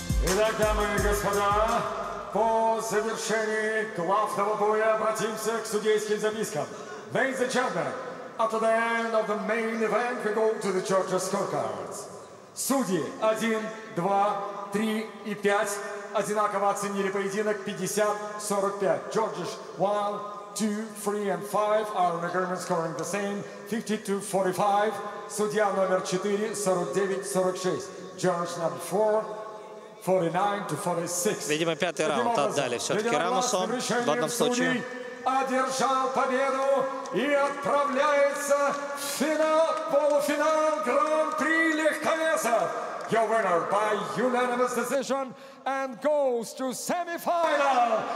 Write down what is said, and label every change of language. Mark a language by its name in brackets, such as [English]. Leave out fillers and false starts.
[Russian] Итак, дамы и господа, по завершении главного боя обратимся к судейским запискам. [English] Ladies and gentlemen, after the end of the main event, we go to the judges' scorecards. [Russian] Судьи 1, 2, 3 и 5 одинаково оценили поединок 50-45. [English] Judges 1, 2, 3 and 5 are in agreement scoring the same 52-45. [Russian] Судья номер 4, 49-46. [English] Judge number 4. 49-46. [Russian] Видимо, пятый раунд отдали все-таки Рамосу в одном случае. Одержал победу и отправляется в финал, полуфинал Гран-при легковеса. [English] Your winner by unanimous decision and goes to semifinal.